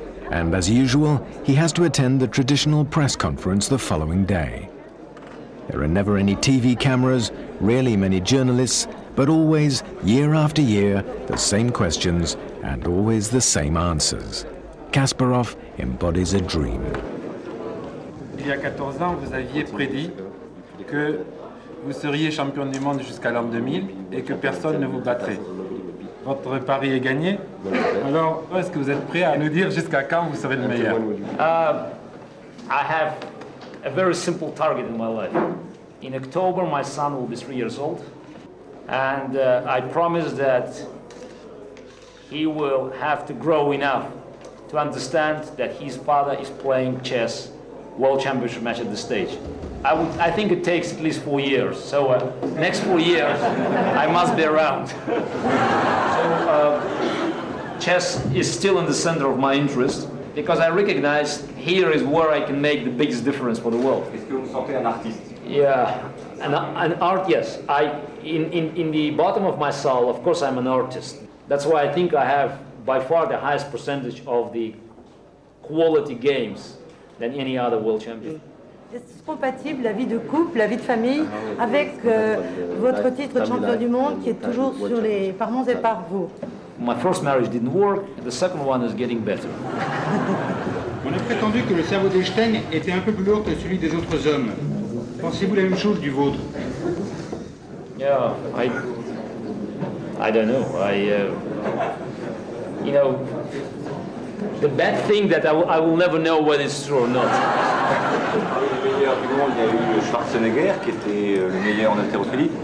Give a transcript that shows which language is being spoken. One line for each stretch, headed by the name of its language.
English: And as usual, he has to attend the traditional press conference the following day. There are never any TV cameras, rarely many journalists, but always, year after year, the same questions and always the same answers. Kasparov embodies a dream.
French: Il y a 14 ans, vous aviez prédit que vous seriez champion du monde jusqu'à l'an 2000 et que personne ne vous battrait. Votre pari est gagné. Alors, est-ce que vous êtes prêt à nous dire jusqu'à quand vous serez le meilleur?
English: I have a very simple target in my life. In October, my son will be 3 years old, and I promise that he will have to grow enough to understand that his father is playing chess world championship match at the stage. I think it takes at least 4 years, so next 4 years, I must be around. So chess is still in the center of my interest, because I recognize here is where I can make the biggest difference for the world. Yeah, an art, yes. In the bottom of my soul, of course, I'm an artist. That's why I think I have by far the highest percentage of the quality games than any other world champion.
French: Est-ce compatible la vie de couple, la vie de famille, avec votre titre de champion du monde qui est toujours sur les par mons et par vous?
English: My first marriage didn't work. The second one is getting better.
French: On a prétendu que le cerveau d'Einstein était un peu plus lourd que celui des autres hommes. Pensez-vous la même chose du vôtre?
English: Yeah, I don't know. I the bad thing that I will never know whether it's true or not.
French: Il y a eu Schwarzenegger qui était le meilleur en haltérophilie.